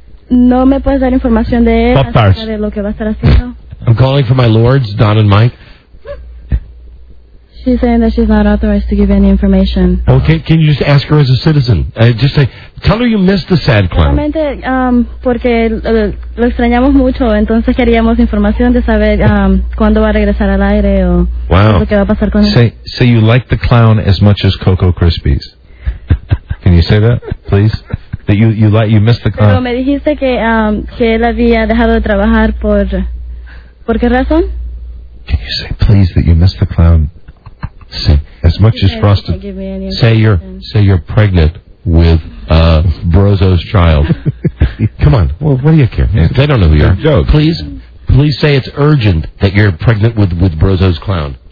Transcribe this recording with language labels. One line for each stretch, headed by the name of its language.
Spanish: No me puedes dar información de él acerca de lo que va a estar haciendo.
English: I'm calling for my lords, Don and Mike. She's saying that she's not authorized to give any information. Okay, can you just ask her as a citizen? Just say, tell her you missed the sad clown.
Spanish: Realmente, porque lo extrañamos mucho, entonces queríamos información de saber cuándo va a regresar al aire o lo que va a pasar con él.
English: Say you like the clown as much as Cocoa Krispies. Can you say that, please? That you missed the clown.
Spanish: Pero me dijiste que él había dejado de trabajar por qué razón?
English: Can you say please that you missed the clown? Say as much he as frosted. Say you're pregnant with Brozo's child. Come on. Well, what do you care? Yeah. They don't know who you are. Joke. Please say it's urgent that you're pregnant with Brozo's clown.